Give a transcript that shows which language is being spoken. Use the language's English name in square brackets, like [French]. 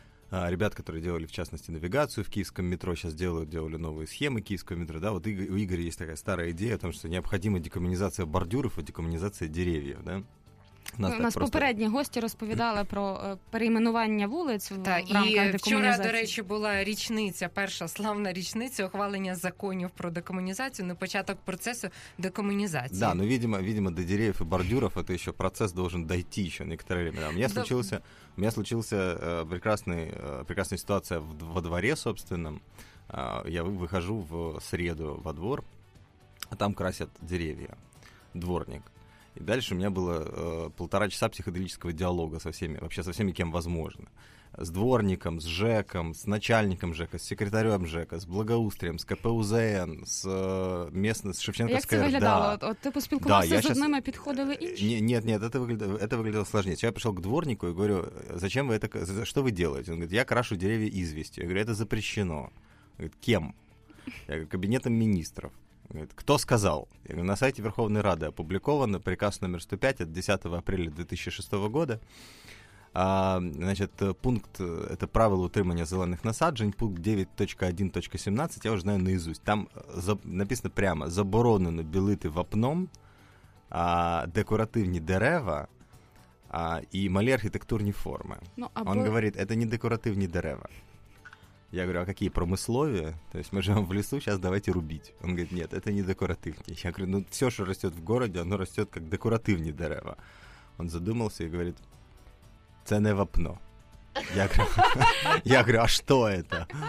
[Russian] Ребят, которые делали, в частности, навигацию в киевском метро, сейчас делали новые схемы киевского метро. Да, вот у Игоря есть такая старая идея о том, что необходима декоммунизация бордюров и декоммунизация деревьев, да. У нас просто... [Ukrainian] попередні гості розповідали про перейменування вулиць в рамках декомунізації. Вчора, до речі, була річниця, перша славна річниця ухвалення законів про декомунізацію, на початок процесу декомунізації. [Russian] Да, ну, видимо, до деревьев [Ukrainian] і бордюрів це ще [Russian] процес должен дойти ще некоторе время. [Ukrainian] У мене случилася прекрасна ситуація во дворі, собственно. [Russian] Я вихожу в середу во двор, а там красят деревья. Дворник. И дальше у меня было полтора часа психоделического диалога со всеми, вообще со всеми, кем возможно. С дворником, с ЖЭКом, с начальником ЖЭКа, с секретарем ЖЭКа, с благоустрием, с КПУЗН, с местной, с Шевченковской РДА. Как это выглядело? Да. Ты поспілкувался да, с сейчас... одними, подходили и... Нет, это выглядело сложнее. Я пришел к дворнику и говорю, зачем вы это, что вы делаете? Он говорит, я крашу деревья известью. Я говорю, это запрещено. Он говорит, кем? Я говорю, кабинетом министров. Кто сказал? На сайте Верховной Рады опубликован приказ номер 105 от 10 апреля 2006 года. Значит, пункт, это правило утримания зеленых насаджень, пункт 9.1.17, я уже знаю наизусть. Там написано прямо, [Ukrainian] заборонено білити вапном декоративні дерева і малі архітектурні форми. [Russian] Он говорит, это не [Ukrainian] декоративні дерева. [Russian] Я говорю, а какие промыслови? То есть мы живем в лесу, сейчас давайте рубить. Он говорит, нет, это не декоративнее. Я говорю, ну все, что растет в городе, оно растет как декоративнее дерево. Он задумался и говорит, [Ukrainian] це не вапно. [Russian] Я говорю, а что это?